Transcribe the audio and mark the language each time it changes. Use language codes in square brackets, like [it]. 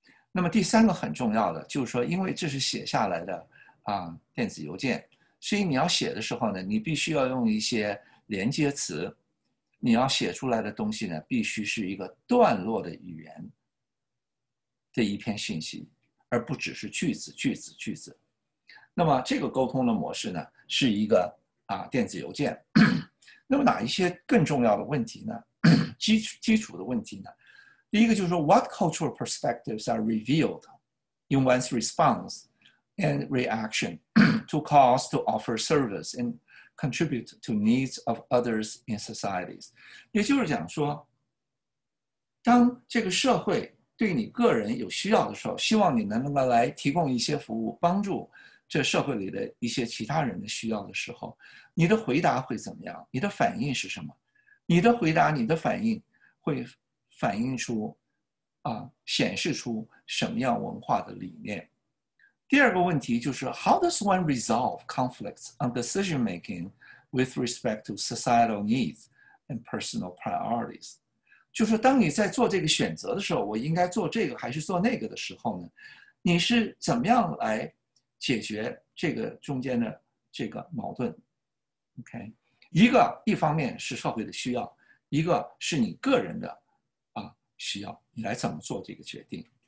[zh] 那么第三个很重要的就是说因为这是写下来的电子邮件，所以你要写的时候呢你必须要用一些连接词，你要写出来的东西呢必须是一个段落的语言的一篇信息，而不只是句子句子句子。那么这个沟通的模式呢是一个电子邮件。那么哪一些更重要的问题呢？基础的问题呢，第一个就是说 [en] What cultural perspectives are revealed in one's response and reaction to calls to offer service and contribute to needs of others in societies？ [zh] 也就是讲说当这个社会对你个人有需要的时候，希望你能够来提供一些服务帮助这社会里的一些其他人的需要的时候，你的回答会怎么样，你的反应是什么，你的回答你的反应会反映出显示出什么样文化的理念。第二个问题就是 [en] How does one resolve conflicts on decision making with respect to societal needs and personal priorities？ [zh] 就是当你在做这个选择的时候，我应该做这个还是做那个的时候呢，你是怎么样来解决这个中间的这个矛盾？ OK， 一方面是社会的需要，一个是你个人的需要，你来怎么做这个决定。